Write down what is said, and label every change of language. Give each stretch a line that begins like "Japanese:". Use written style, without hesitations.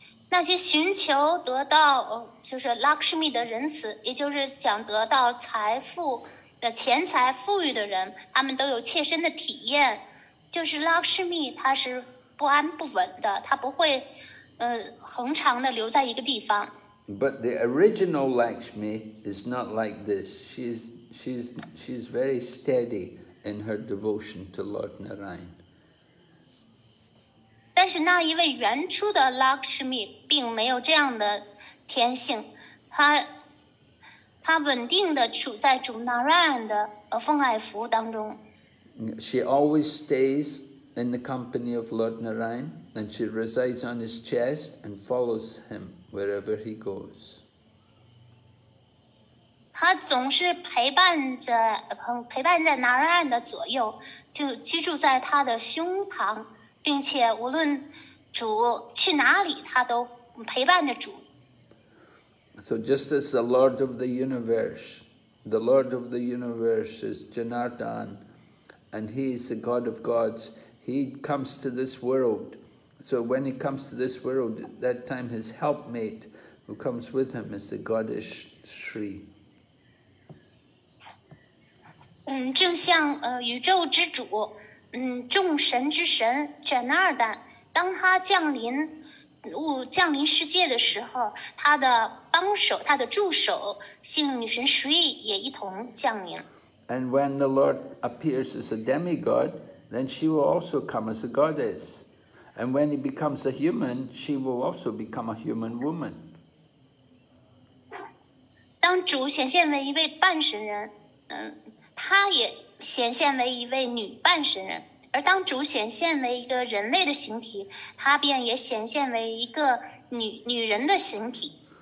Chinese: 那些寻求得到就是 Lakshmi 的仁慈，也就是想得到财富的钱财富裕的人，他们都有切身的体验，就是 Lakshmi 她是不安不稳的，她不会恒常的留在一个地方。
English: But the original Lakshmi is not like this. She's very steady in her devotion to Lord Narayan.
Chinese: 但是那一位原初的 Lakshmi 并没有这样的天性，她稳定地处在主 Narayan 的奉爱服务当中。
English: She always stays in the company of Lord Narayan, and she resides on his chest and follows him. Wherever he goes,
Chinese: 他总是陪伴在 Narayan 的左右，就居住在他的胸膛，并且无论主去哪里，他都陪伴着主。
English: So just as the Lord of the Universe, the Lord of the Universe is Janardhan, and he is the God of Gods. He comes to this world. So when he comes to this world, that time his helpmate who comes with him is the goddess Shri.
Chinese: 正像宇宙之主，众神之神卷纳丹，当他降临世界的时候，他的帮手，他的助手，姓女神 Shri 也一同降临。
English: And when the Lord appears as a demigod, then she will also come as a goddess. And when he becomes a human, she will also become a human woman.
Chinese: 当主显现为一位半神人，他也显现为一位女半神人。而当主显现为一个人类的形体，他便也显现为一个女人的形体。